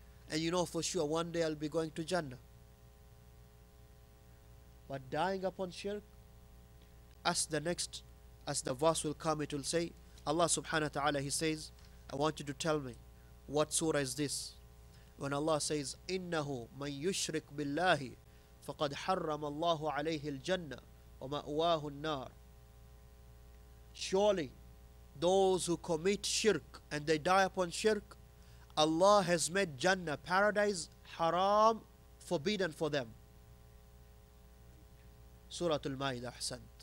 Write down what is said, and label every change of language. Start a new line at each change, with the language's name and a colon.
English: And you know for sure one day I'll be going to Jannah. But dying upon shirk, as the verse will come, it will say, Allah subhanahu wa ta'ala, He says, I want you to tell me, what surah is this? When Allah says,
Arabic: إِنَّهُ مَنْ يُشْرِكْ بِاللَّهِ فَقَدْ حَرَّمَ اللَّهُ عَلَيْهِ الْجَنَّةِ وَمَأْوَاهُ النَّارِ.
English: Surely, those who commit shirk and they die upon shirk, Allah has made Jannah, paradise, haram, forbidden for them. Surah Al-Ma'idah, Ahsant.